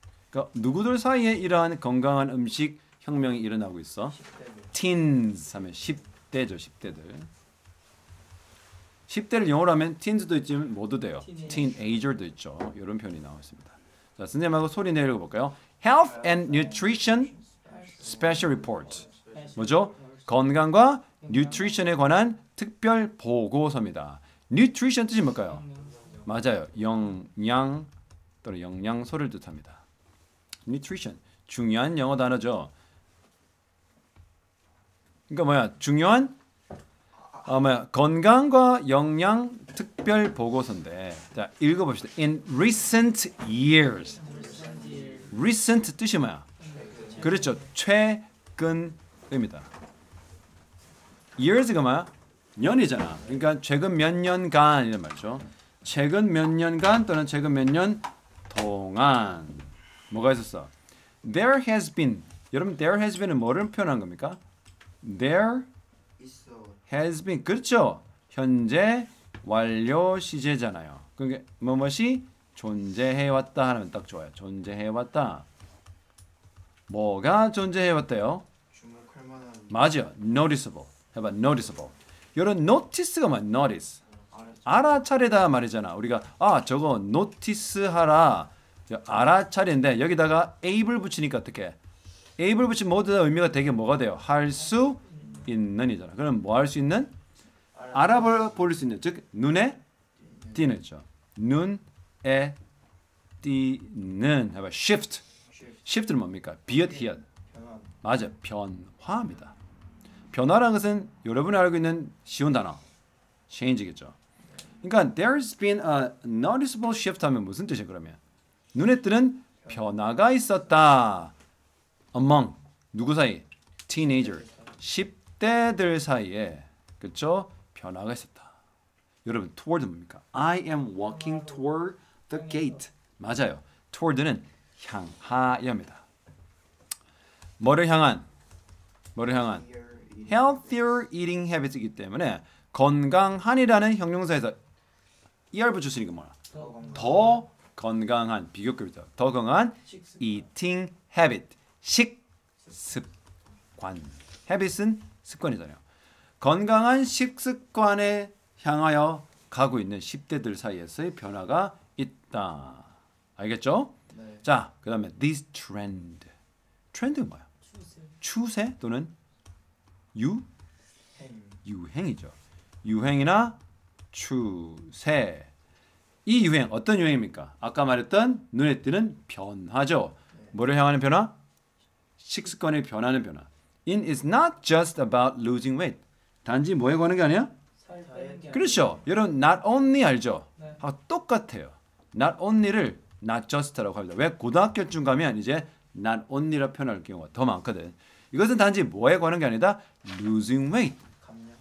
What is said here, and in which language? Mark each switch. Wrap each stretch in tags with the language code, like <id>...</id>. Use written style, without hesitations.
<ko>그러니까 누구들 사이에 이러한 건강한 음식 혁명이 일어나고 있어? 10대들. Teens 하면 10대죠. 10대들. 10대를 영어로 하면 teens도 있지만 뭐도 돼요. teenager도 있죠. 이런 표현이 나왔습니다. 자, 선생님하고 소리 내려 볼까요?</ko> <en>Health and Nutrition Special Report.</en> <ko>뭐죠? 건강과 nutrition에 관한 특별 보고서입니다. Nutrition 뜻이 뭘까요? 맞아요. 영양 또는 영양소를 뜻합니다. Nutrition. 중요한 영어 단어죠. 그러니까 뭐야? 중요한? 건강과 영양 특별 보고서인데 자 읽어봅시다.</ko> <en>In recent years. Recent</en> <ko>뜻이 뭐야? 그렇죠. 최근입니다. Years가 뭐야? 년이잖아. 그러니까 최근 몇 년간 이런 말이죠. 최근 몇 년간 또는 최근 몇 년 동안 뭐가 있었어?</ko> <en>There has been.</en> <ko>여러분 there has been은 뭐를 표현한 겁니까?</ko> <en>There has been</en> <ko>그렇죠. 현재 완료 시제잖아요. 그러니까 무엇이 존재해 왔다 하면 딱 좋아요. 존재해 왔다. 뭐가 존재해 왔대요? 주목할 만한 맞아요. noticeable. 해봐 noticeable. 이런 notice가 뭐야? notice. 알아차리다 말이잖아. 우리가 아 저거 notice 하라. 알아차리는데 여기다가 able 붙이니까 어떻게? able 붙이면 모두 다 의미가 되게 뭐가 돼요? 할 수 있는이잖아. 그럼 뭐 할 수 있는? 알아볼 수 있는. 즉 눈에 띄는죠. 눈에 띄는. 해봐. shift. shift는 뭡니까? beard here. 맞아. 변화입니다. 변화라는 것은 여러분이 알고 있는 쉬운 단어. change겠죠. 그러니까</ko> <en>there's been a noticeable shift</en> <ko>하면 무슨 뜻이에요? 그러면 눈에 띄는 변화가 있었다. among 누구 사이? teenager. 10대들 사이에 그렇죠? 변화가 있었다. 여러분 toward 뭡니까?</ko> <en>I am walking toward the gate.</en> <ko>맞아요. toward는 향하여입니다. 뭐를 향한? 뭐를 향한?</ko> <en>healthier eating habits</en> <ko>이기 때문에 건강한이라는 형용사에서 er 붙였으니까 뭐야? 더 건강한 비교급이죠. 더 건강한</ko> <en>eating habit</en> <ko>식습관 habits은 습관이잖아요. 건강한 식습관에 향하여 가고 있는 10대들 사이에서의 변화가 있다. 알겠죠? 네. 자, 그 다음에</ko> <en>this trend.</en> <ko>트렌드는 뭐야? 추세. 추세 또는 유? 행. 유행이죠. 유행이나 추세. 이 유행, 어떤 유행입니까? 아까 말했던 눈에 띄는 변화죠. 네. 뭐를 향하는 변화? 식습관이 변하는 변화.</ko> <en>It is not just about losing weight.</en> <ko>단지 뭐에 관한 게 아니야? 그렇죠. 여러분, not only 알죠? 네. 아, 똑같아요. Not only를 not just라고 합니다. 왜 고등학교쯤 가면 이제 not only라 표현할 경우가 더 많거든. 이것은 단지 뭐에 관한 게 아니다?</ko> <en>Losing weight.</en> <ko>감량.</ko>